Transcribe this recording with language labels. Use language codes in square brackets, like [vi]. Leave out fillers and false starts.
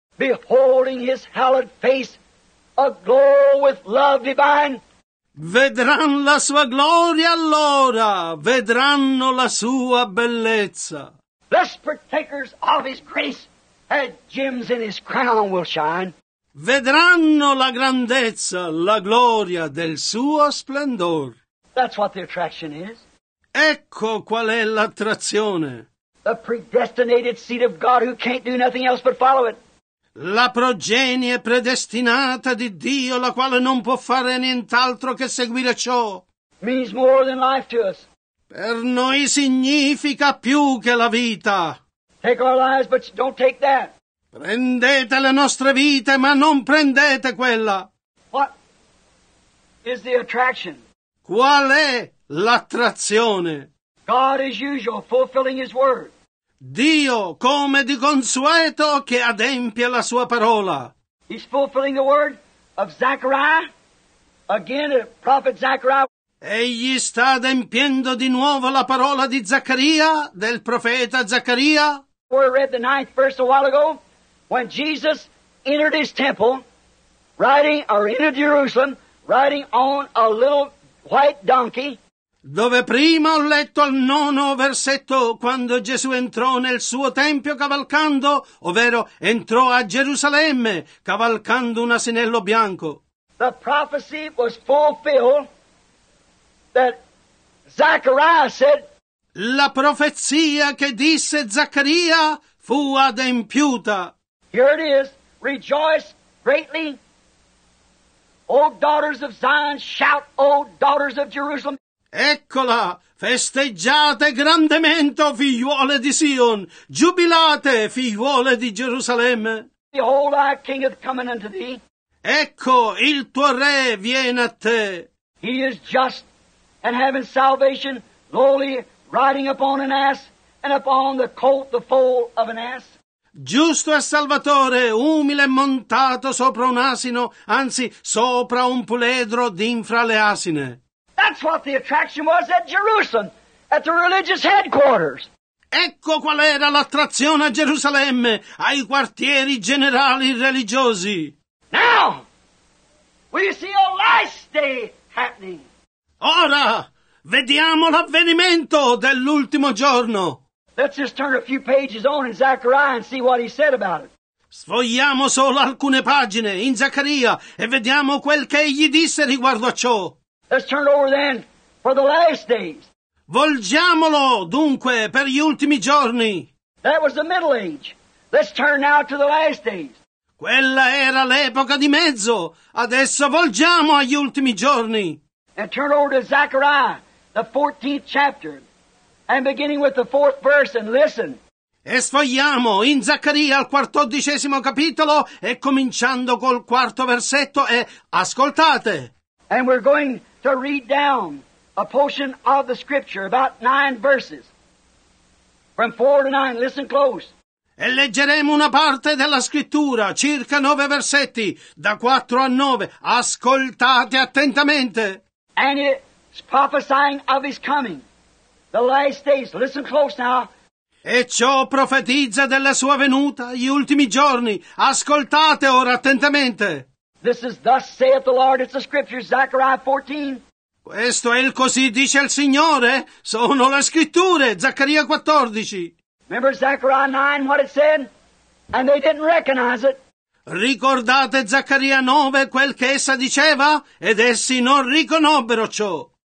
[en] Beholding his hallowed face. A glow with love divine. [it] Vedran la sua gloria allora, vedranno la sua bellezza. [en] Blessed partakers of his grace, had gems in his crown will shine. [it] Vedranno la grandezza, la gloria del suo splendor. [en] That's what the attraction is. [it] Ecco qual è l'attrazione. [en] The predestinated seed of God who can't do nothing else but follow it. [it] La progenie predestinata di Dio, la quale non può fare nient'altro che seguire ciò. [en] Means more than life to us. [it] Per noi significa più che la vita. [en] Take our lives, but don't take that. [it] Prendete le nostre vite, ma non prendete quella. [en] What is the attraction? [it] Qual è l'attrazione? [en] God as usual, fulfilling his word. [it] Dio, come di consueto, che adempie la sua parola. [en] He's fulfilling the word of Zechariah. Again, the prophet Zechariah. [it] Egli sta adempiendo di nuovo la parola di Zaccaria, del profeta Zaccaria. [en] We read the ninth verse a while ago, when Jesus entered his temple, entered Jerusalem, riding on a little white donkey. [it] Dove prima ho letto al nono versetto quando Gesù entrò nel suo tempio cavalcando, ovvero entrò a Gerusalemme cavalcando un asinello bianco. [en] The prophecy was fulfilled that Zechariah said. [it] La profezia che disse Zaccaria fu adempiuta. [en] Here it is, rejoice greatly, O daughters of Zion, shout, O daughters of Jerusalem. [it] Eccola, festeggiate grandemente, figliuole di Sion, giubilate, figliuole di Gerusalemme. [en] Behold, our king is coming unto thee. [it] Ecco, il tuo re viene a te. [en] He is just and having salvation, lowly riding upon an ass, and upon the colt the foal of an ass. [it] Giusto e salvatore, umile montato sopra un asino, anzi sopra un puledro d'infra le asine. [en] That's what the attraction was at Jerusalem, at the religious headquarters. [it] Ecco qual era l'attrazione a Gerusalemme, ai quartieri generali religiosi. [en] Now, we see a last day happening. [it] Ora, vediamo l'avvenimento dell'ultimo giorno. [en] Let's just turn a few pages on in Zechariah and see what he said about it. [it] Sfogliamo solo alcune pagine in Zaccaria e vediamo quel che egli disse riguardo a ciò. [en] Let's turn over then for the last days. [it] Volgiamolo dunque per gli ultimi giorni. [en] That was the middle age. Let's turn now to the last days. [it] Quella era l'epoca di mezzo. Adesso volgiamo agli ultimi giorni. [en] And turn over to Zechariah, the 14th chapter, and beginning with the 4th verse, and listen. [it] E sfogliamo in Zaccaria al 14° capitolo e cominciando col 4° versetto e ascoltate. [en] And we're going to read down a portion of the scripture, about 9 verses. From 4 to 9, listen close. [it] E leggeremo una parte della scrittura, circa 9 versetti, da 4 a 9. Ascoltate attentamente. [en] And it's prophesying of his coming, the last days. Listen close now. [it] E ciò profetizza della sua venuta, gli ultimi giorni. Ascoltate ora attentamente. [en] This is thus saith the Lord, it's the scripture, Zechariah 14. [it] Questo è il così dice il Signore, sono le scritture, Zaccaria 14. [en] Remember Zechariah 9, what it said? And they didn't recognize it. [it] Ricordate Zaccaria 9, quel che essa diceva? Ed essi non riconobbero ciò.